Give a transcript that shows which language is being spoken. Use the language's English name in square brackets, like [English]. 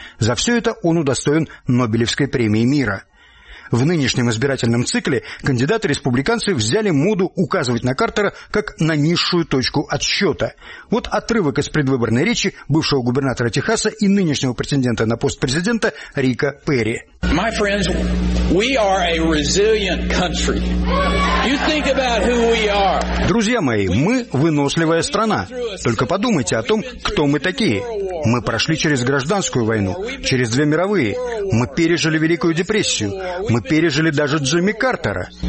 [Russian] За все это он удостоен Нобелевской премии мира. В нынешнем избирательном цикле кандидаты-республиканцы взяли моду указывать на Картера как на низшую точку отсчета. Вот отрывок из предвыборной речи бывшего губернатора Техаса и нынешнего претендента на пост президента Рика Перри. [English] My friends, we are a resilient country. You think about who we are. [Russian] Друзья мои, мы выносливая страна. Только подумайте о том, кто мы такие. Мы прошли через гражданскую войну, через две мировые. Мы пережили Великую депрессию. Мы пережили даже Джимми Картера.